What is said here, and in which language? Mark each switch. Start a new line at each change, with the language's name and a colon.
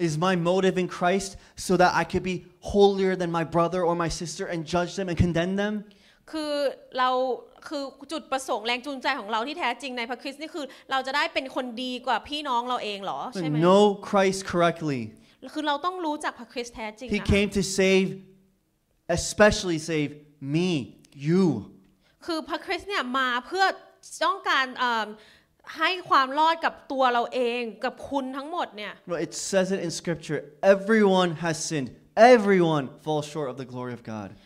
English: Is my motive in Christ so that I could be holier than my brother or my sister and judge them and condemn them
Thai: คือเราคือจุดประสงค์แรงจูงใจของเราที่แท้จริงในพระคริสต์นี่คือเราจะได้เป็นคนดีกว่าพี่น้องเราเองหรอใช่ไหม
English: Know Christ correctly
Thai: คือเราต้องรู้จักพระคริสต์แท้จริง
English: He came to saveespecially save me you
Thai: คือพระคริสต์เนี่ยมาเพื่อต้องการให้ความรอดกับตัวเราเองกับคุณทั้งหมดเนี่ย
English: it says it in scripture everyone has sinned Everyone falls short of the glory of God.